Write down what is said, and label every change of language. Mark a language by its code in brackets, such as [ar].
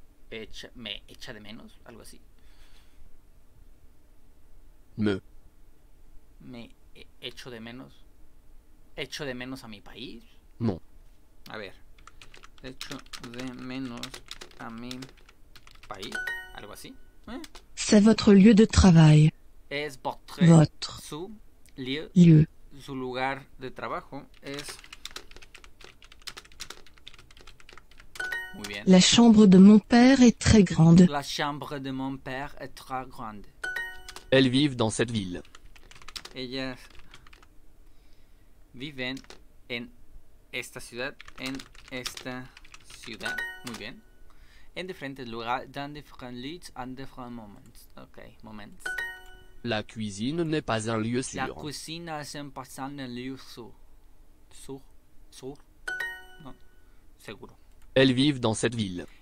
[es] Echa, me echa de menos, algo así. Me. Me echo de menos. Echo de menos a mi país. [fr] Mon. [es] A ver. Echo de menos a mi país, algo así. [fr] C'est votre lieu de travail. [es] Es [fr] votre [es] su lieu. [fr] Lieu. [es] Su lugar de trabajo es. Muy bien. [fr] La chambre de mon père est très grande. La chambre de mon père est très grande. Elles vivent dans cette ville. [es] Ellas viven en esta ciudad. En esta ciudad. Muy bien. En diferentes lugares, [fr] dans différents lieux, en différents moments. Ok, moments. La cuisine n'est pas un lieu sûr. La cuisine n'est pas un lieu sûr. Sûr? Sûr? Non. Seguro. Elles vivent dans cette ville.